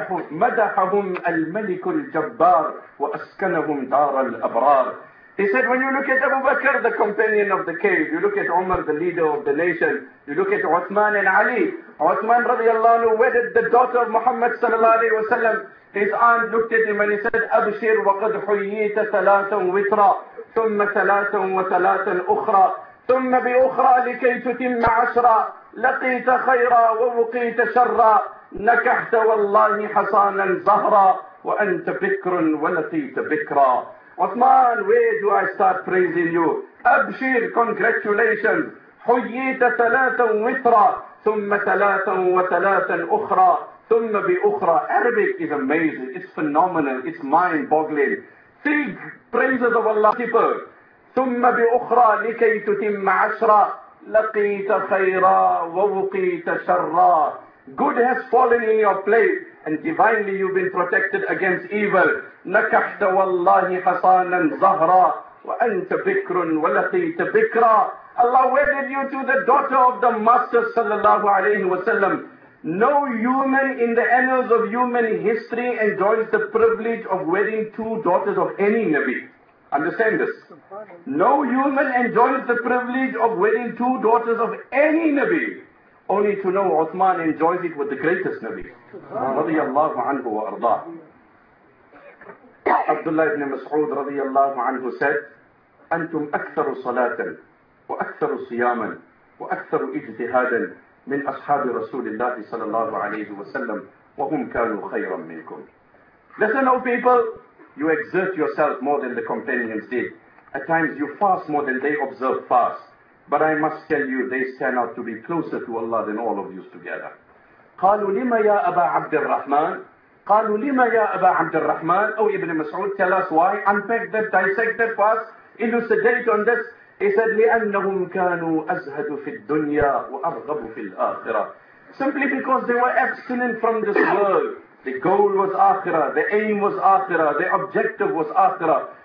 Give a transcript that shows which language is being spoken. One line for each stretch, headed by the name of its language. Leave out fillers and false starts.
Arabic: مدحهم الملك الجبار وأسكنهم دار الأبرار.
English: He said, when you look at Abu Bakr, the companion of the cave, you look at Umar, the leader of the nation, you look at Uthman and Ali. Uthman رضي الله عنه wedded the daughter of Muhammad صلى الله عليه وسلم. His aunt looked at him and he said,
Arabic: أبشر وقد حييت ثلاثا وطرا ثم ثلاثا وثلاثا أخرى ثم بأخرى لكي تتم عشرا لقيت خيرا ووقيت شرا نكحت والله حصانا زهرا وأنت بكر ولقيت بكرا.
English: Uthman, where do I start praising you? أبشر, congratulations.
Arabic: حييت ثلاثا وطرا ثم ثلاثا وثلاثا أخرى ثم بأخرى.
English: Arabic is amazing, it's phenomenal, it's mind-boggling. Three praises of Allah people.
Arabic: ثم بأخرى لكي تتم عشرا لقيت خيرا ووقيت شرا.
English: Good has fallen in your place and divinely you've been protected against evil.
Arabic: نكحت والله حصانا زهرا وأنت بكر ولقيت بكرا.
English: Allah wedded you to the daughter of the Master sallallahu alayhi wa sallam. No human in the annals of human history enjoys the privilege of wedding two daughters of any Nabi. Understand this. No human enjoys the privilege of wedding two daughters of any Nabi. Only to know Uthman enjoys it with the greatest Nabi.
Arabic: Radiallahu anhu wa ardah. Abdullah ibn Mas'ud radiallahu anhu said, Antum aktharu salatan, wa aktharu siyaman, wa aktharu ijtihadan min ashabi Rasulillahi sallallahu alayhi wa sallam, وَهُمْ كَانُوا خَيْرًا مِنْكُمْ.
English: Listen, O people, you exert yourself more than the companions did. At times you fast more than they observe fast. But I must tell you, they stand out to be closer to Allah than all of you together.
Arabic: قَالُوا لِمَا يَا أَبَا عَبْدِ الرَّحْمَنِ قَالُوا لِمَا يَا أَبَا عَبْدِ الرَّحْمَنِ
English: O Ibn Mas'ud, tell us why. Unpack that, dissect that for us. Elucidate on this. He said,
Arabic: لِأَنَّهُمْ كَانُوا أَزْهَدُ فِي الدُّنْيَا وَأَرْغَبُ فِي الْآخِرَةِ
English: Simply because they were abstinent from this world. The goal was Akhirah, the aim was Akhirah, the objective was Akhirah.